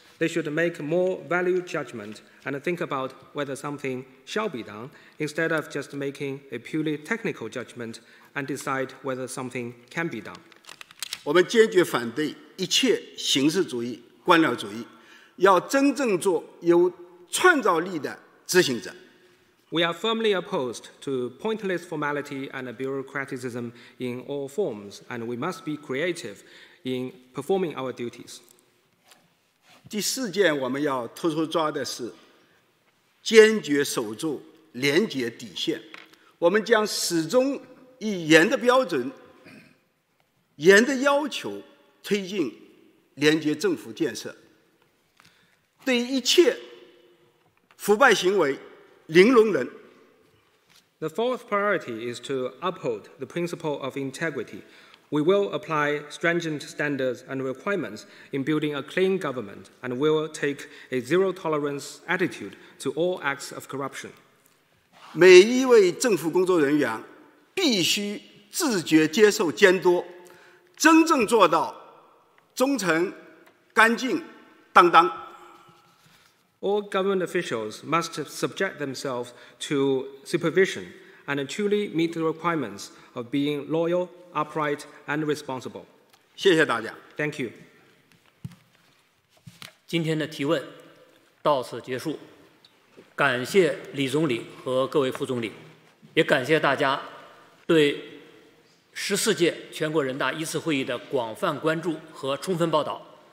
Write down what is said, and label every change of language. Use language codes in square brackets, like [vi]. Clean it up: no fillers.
[en] They should make more value judgment and think about whether something shall be done, instead of just making a purely technical judgment and decide whether something can be done. [zh] 我们坚决反对一切形式主义、官僚主义，要真正做有创造力的执行者。 [en] We are firmly opposed to pointless formality and bureaucraticism in all forms, and we must be creative in performing our duties. [zh] 第四件我们要突出抓的是坚决守住廉洁底线。我们将始终以严的标准、严的要求推进廉洁政府建设。对一切腐败行为零容忍。 [en] The fourth priority is to uphold the principle of integrity. We will apply stringent standards and requirements in building a clean government and will take a zero tolerance attitude to all acts of corruption. [zh] 每一位政府工作人员必须自觉接受监督，真正做到忠诚、干净、当当。 [en] All government officials must subject themselves to supervision and truly meet the requirements of being loyal, upright, and responsible. [zh] 谢谢大家。 [en] Thank you. [zh] 今天的提问到此结束，感谢李总理和各位副总理，也感谢大家对十四届全国人大一次会议的广泛关注和充分报道。